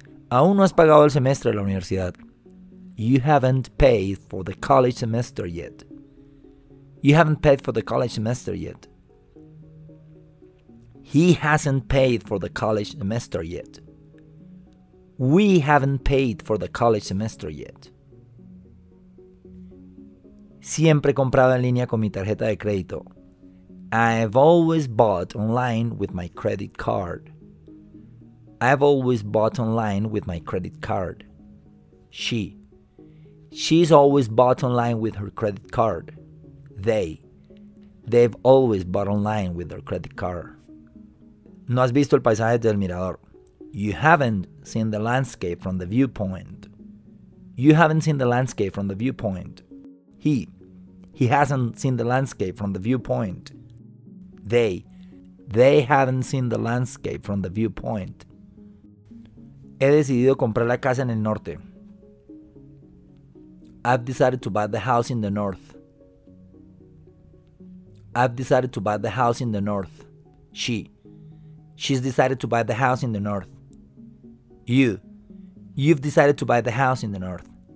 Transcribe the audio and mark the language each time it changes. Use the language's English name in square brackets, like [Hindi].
[Spanish] Aún no has pagado el semestre de la universidad. [English] You haven't paid for the college semester yet. You haven't paid for the college semester yet. He hasn't paid for the college semester yet. We haven't paid for the college semester yet. [Spanish] Siempre he comprado en línea con mi tarjeta de crédito. [English] I've always bought online with my credit card. I've always bought online with my credit card. She's always bought online with her credit card. They've always bought online with their credit card. [Spanish] No has visto el paisaje del mirador. [English] You haven't seen the landscape from the viewpoint. You haven't seen the landscape from the viewpoint. He hasn't seen the landscape from the viewpoint. They haven't seen the landscape from the viewpoint. [Spanish] He decidido comprar la casa en el norte. [English] I've decided to buy the house in the north. I've decided to buy the house in the north. She's decided to buy the house in the north. You've decided to buy the house in the north.